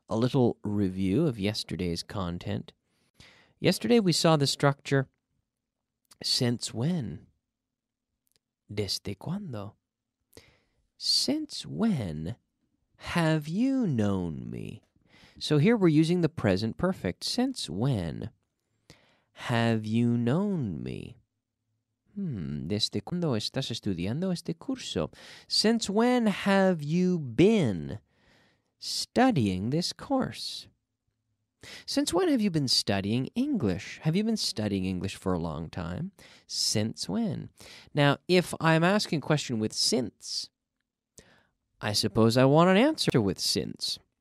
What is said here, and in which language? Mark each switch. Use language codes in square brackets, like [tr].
[en] A little review of yesterday's content. Yesterday we saw the structure, since when? [es] Desde cuando? [en] Since when have you known me? So here we're using the present perfect. Since when have you known me? [es] ¿Desde cuándo estás estudiando este curso? [en] Since when have you been studying this course? Since when have you been studying English? Have you been studying English for a long time? Since when? Now, if I'm asking a question with since, I suppose I want an answer with since.